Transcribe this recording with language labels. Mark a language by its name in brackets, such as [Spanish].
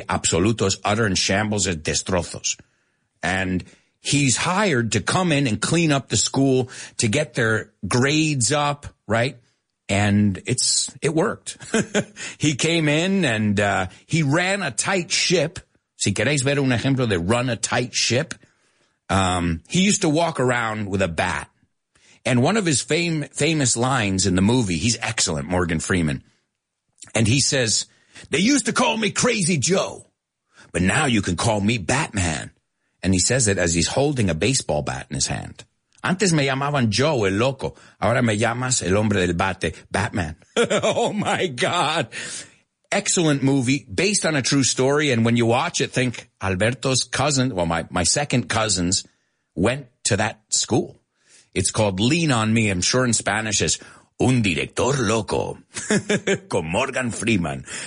[English] Absolutos, utter and shambles and destrozos. And he's hired to come in and clean up the school to get their grades up. Right. And it worked. He came in and, he ran a tight ship. [Spanish] Si queréis ver un ejemplo de [English] run a tight ship. He used to walk around with a bat. And one of his famous lines in the movie, he's excellent, Morgan Freeman. And he says, they used to call me Crazy Joe, but now you can call me Batman. And he says it as he's holding a baseball bat in his hand. [Spanish] Antes me llamaban Joe el Loco. Ahora me llamas el hombre del bate, Batman. [English] Oh, my God. Excellent movie based on a true story. And when you watch it, think Alberto's cousin, well, my second cousins went to that school. It's called Lean on Me. I'm sure in Spanish is Un Director Loco con Morgan Freeman.